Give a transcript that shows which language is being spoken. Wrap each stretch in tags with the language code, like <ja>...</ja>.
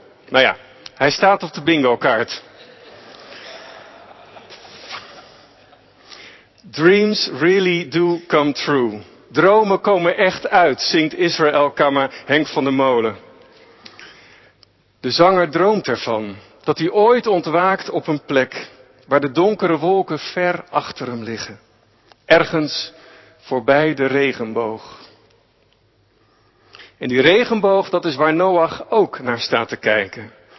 <nl>Nou ja, hij staat op de bingokaart.</nl> <en>Dreams really do come true.</en> <nl>Dromen komen echt uit, zingt Israel Kammer Henk van der Molen. De zanger droomt ervan dat hij ooit ontwaakt op een plek waar de donkere wolken ver achter hem liggen. Ergens voorbij de regenboog. En die regenboog, dat is waar Noach ook naar staat te kijken.</nl>